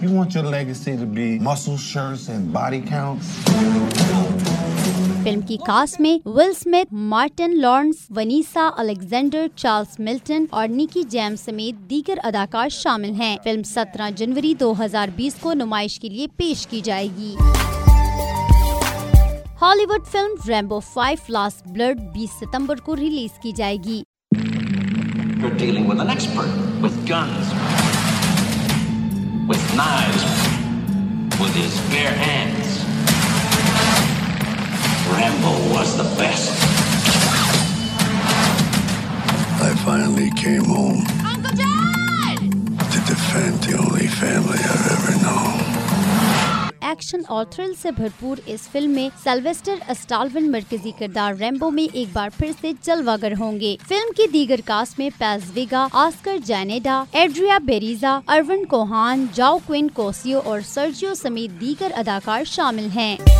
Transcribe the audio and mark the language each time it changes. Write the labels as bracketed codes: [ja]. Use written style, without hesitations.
[en] You want your legacy to be muscle shirts and body counts? [ur] Film کی cost میں ول Smith, Martin Lawrence, ونیسا Alexander, Charles Milton اور نکی James سمیت دیگر اداکار شامل ہیں. فلم 17 جنوری 2020 کو نمائش کے لیے پیش کی جائے گی. ہالی would film Rambo 5 last blood 20 ستمبر کو ریلیز کی جائے گی. [en] You're dealing with an expert with guns. With knives, with his bare hands, Rambo was the best. I finally came home. Uncle John! To defend the only family I've ever known. [ur] Action اور thrill سے بھرپور اس film میں Sylvester Stallone مرکزی کردار Rambo میں ایک بار پھر سے جلوہ گر ہوں گے. فلم کی دیگر کاسٹ میں پیز ویگا, آسکر جینیڈا, ایڈریا بیریزا, ارون کوہان, جاؤ کوئن کوسیو اور سرجیو سمیت دیگر اداکار شامل ہیں.